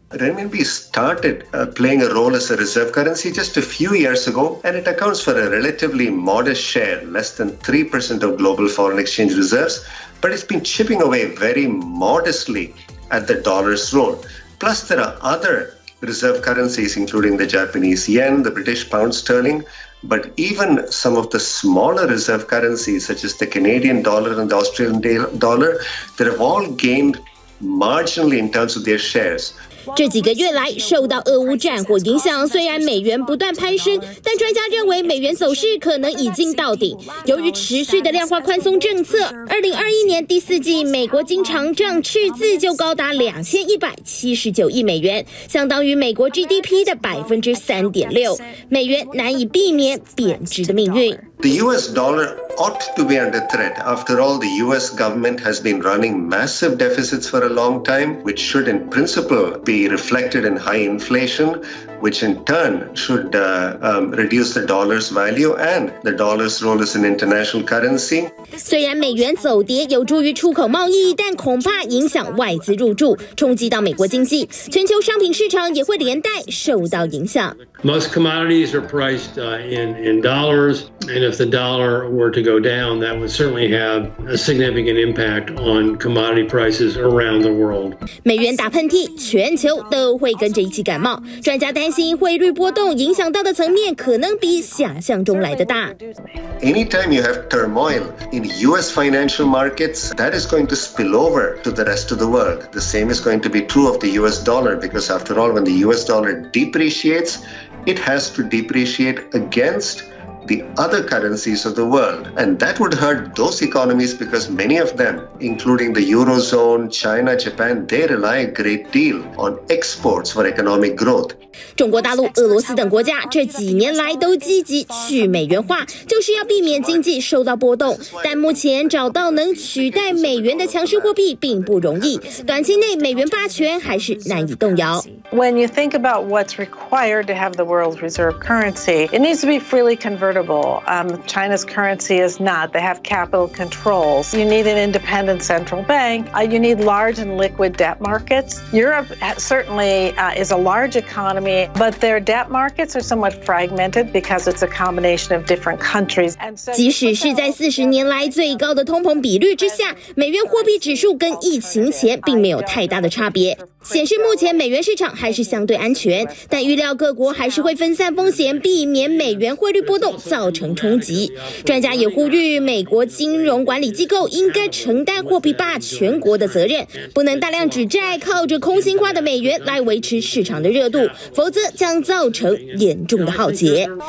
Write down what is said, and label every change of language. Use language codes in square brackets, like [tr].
[en] renminbi started playing a role as a reserve currency just a few years ago, and it accounts for a relatively modest share, less than 3% of global foreign exchange reserves, but it's been chipping away very modestly at the dollar's role. Plus, there are other reserve currencies, including the Japanese yen, the British pound sterling, but even some of the smaller reserve currencies, such as the Canadian dollar and the Australian dollar, that have all gained marginally in terms of their shares. [zh] 这几个月来受到俄乌战火影响，虽然美元不断攀升，但专家认为美元走势可能已经到顶。由于持续的量化宽松政策，2021年第四季美国经常账赤字就高达2179亿美元，相当于美国 GDP 的 3.6%， 美元难以避免贬值的命运。 [en] The US dollar ought to be under threat. After all, the US government has been running massive deficits for a long time, which should in principle be reflected in high inflation, which in turn should reduce the dollar's value and the dollar's role as an international currency. [zh] 虽然美元走跌有助于出口贸易，但恐怕影响外资入驻，冲击到美国经济，全球商品市场也会连带受到影响。 [en] Most commodities are priced in dollars, and if the dollar were to go down, that would certainly have a significant impact on commodity prices around the world. [zh] 美元打喷嚏，全球都会跟着一起感冒。专家担心汇率波动影响到的层面可能比想象中来的大。 [en] Anytime you have turmoil in U.S. financial markets, that is going to spill over to the rest of the world. The same is going to be true of the U.S. dollar, because after all, when the U.S. dollar depreciates,It has to depreciate against the other currencies of the world. And that would hurt those economies because many of them, including the Eurozone, China, Japan, they rely a great deal on exports for economic growth. [zh] 中国大陆、俄罗斯等国家这几年来都积极去美元化，就是要避免经济受到波动。但目前找到能取代美元的强势货币并不容易，短期内美元霸权还是难以动摇。 [en] When you think about what's required to have the world's reserve currency, it needs to be freely convertible. China's currency is not. They have capital controls. You need an independent central bank. You need large and liquid debt markets. Europe certainly is a large economy, but their debt markets are somewhat fragmented because it's a combination of different countries. [zh] 即使是在40年来最高的通膨比率之下，美元货币指数跟疫情前并没有太大的差别。显示目前美元市场还是相对安全，但预料各国还是会分散风险，避免美元汇率波动造成冲击。专家也呼吁美国金融管理机构应该承担货币霸权国的责任，不能大量纸债，靠着空心化的美元来维持市场的热度，否则将造成严重的浩劫。